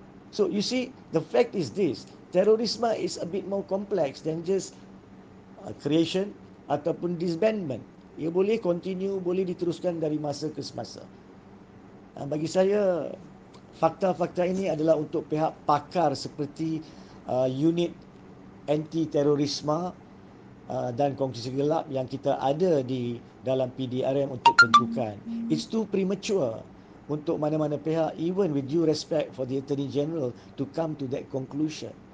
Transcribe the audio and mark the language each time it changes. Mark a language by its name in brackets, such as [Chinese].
[English] So you see, the fact is this, terorisme is a bit more complex than just creation ataupun disbandment. [Malay] Ia boleh continue, boleh diteruskan dari masa ke semasa. Bagi saya, fakta-fakta ini adalah untuk pihak pakar seperti unit anti-terorisme dan kongsi gelap yang kita ada di dalam PDRM untuk tentukan. [English] It's too premature [Malay] untuk mana-mana pihak, [English] even with due respect for the Attorney General, to come to that conclusion.